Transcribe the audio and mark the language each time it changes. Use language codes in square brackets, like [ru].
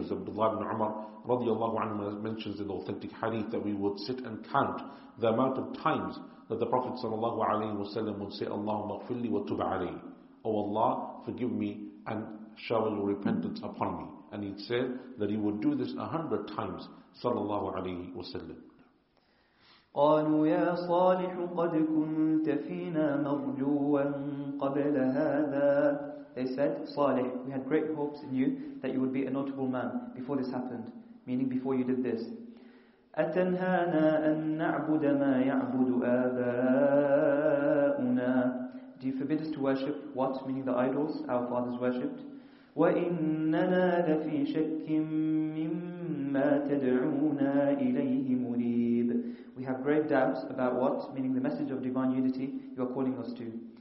[en] As Abdullah ibn Umar radiallahu anhu mentions in the authentic hadith that we would sit and count the amount of times that the Prophet ﷺ would say, [ar] Allahumma ghfirli wa tub alayhi. [en] Oh Allah, forgive me and shower your repentance upon me. And he said that he would do this 100 times, sallallahu alayhi wa sallam. [ar] قالوا يا صالح قد كنت فينا مرجوا قبل هذا. [en] They said, Salih, we had great hopes in you that you would be a notable man before this happened, meaning before you did this. [ar] أتنهانا أن نعبد ما يعبد آباؤنا. [en] Do you forbid us to worship what, meaning the idols our fathers worshipped? [ar] وَإِنَّنَا لَفِي شَكٍّ مِّمَّا تَدْعُونَا إِلَيْهِ مُرِيبٍ. [en] We have great doubts about what, meaning the message of divine unity, you are calling us to.